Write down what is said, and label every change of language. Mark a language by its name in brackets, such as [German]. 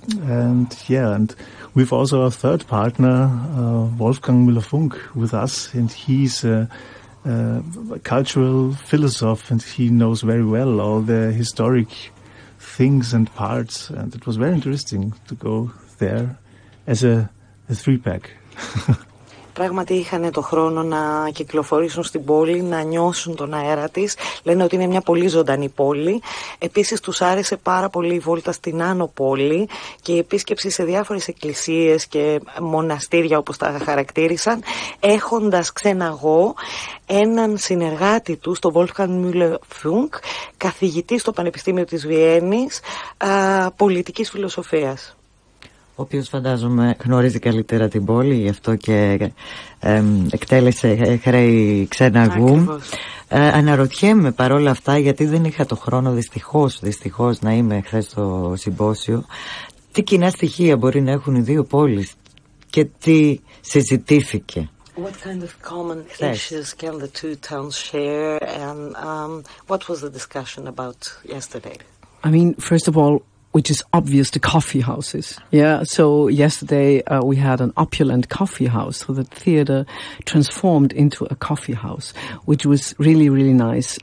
[English] And we've also a third partner, Wolfgang Müller-Funk, with us, and he's a cultural philosopher, and he knows very well all the historic things and parts, and it was very interesting to go there as a three-pack. [Greek] Πράγματι είχαν το χρόνο να κυκλοφορήσουν στην πόλη, να νιώσουν τον αέρα της. Λένε ότι είναι μια πολύ ζωντανή πόλη. Επίσης τους άρεσε πάρα πολύ η βόλτα στην Άνω Πόλη και η επίσκεψη σε διάφορες εκκλησίες και μοναστήρια, όπως τα χαρακτήρισαν, έχοντας ξεναγώ έναν συνεργάτη του, τον Wolfgang Müller-Funk, καθηγητή στο Πανεπιστήμιο της Βιέννης, πολιτικής φιλοσοφίας. Ο οποίος φαντάζομαι γνωρίζει καλύτερα την πόλη, γι' αυτό και εκτέλεσε χρέη ξεναγού. Αναρωτιέμαι παρόλα αυτά, γιατί δεν είχα το χρόνο δυστυχώς να είμαι χθες στο συμπόσιο, τι κοινά στοιχεία μπορεί να έχουν οι δύο πόλεις και τι συζητήθηκε [English] What kind of common issues can the two towns share, and what was the discussion about yesterday? I mean, first of all, which is obvious, the coffee houses. Yeah, so yesterday we had an opulent coffee house, so the theater transformed into a coffee house, which was really, really nice.